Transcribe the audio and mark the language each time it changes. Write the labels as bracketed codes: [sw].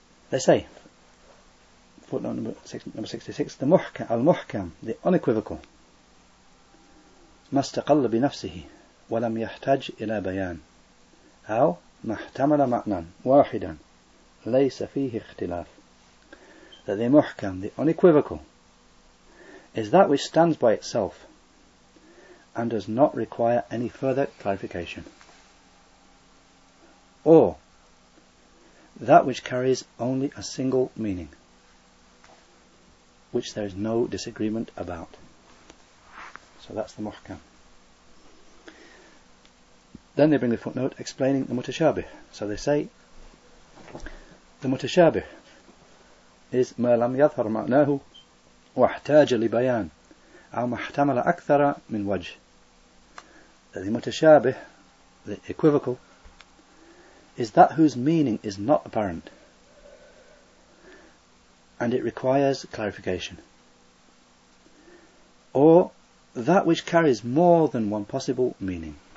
[en] They say, footnote number 66, the muhkam, al-muhkam, the unequivocal, [ar] مستقل بنفسه ولم يحتاج إلى بيان أو محتمل معنى واحدا ليس فيه اختلاف. [en] That the muhkam, the unequivocal, is that which stands by itself and does not require any further clarification, or that which carries only a single meaning, which there is no disagreement about. So that's the muhkam. Then they bring the footnote explaining the mutashabih. So they say, the mutashabih is [ar] ما لم يظهر معناه واحتاج لبيان أو ما احتمل أكثر من وجه. [en] That the mutashabih, the equivocal, is that whose meaning is not apparent and it requires clarification, or that which carries more than one possible meaning.